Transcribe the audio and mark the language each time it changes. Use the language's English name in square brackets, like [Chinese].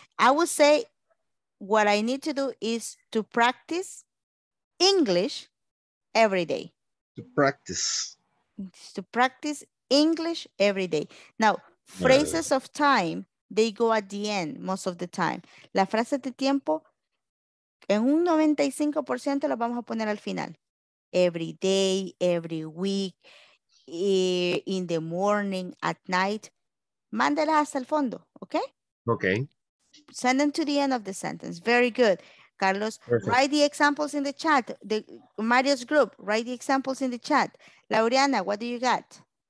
[English] I would say what I need to do is to practice English every day. To practice English every day. Now, phrases of time, they go at the end most of the time. [Spanish] La frase de tiempo, en un 95% la vamos a poner al final. [English] Every day, every week, in the morning, at night. [Spanish] Mándelas hasta el fondo, okay? [English] Okay. Send them to the end of the sentence. Very good. Carlos, perfect. Write the examples in the chat. The Mario's group, write the examples in the chat. Laureana, what do you got?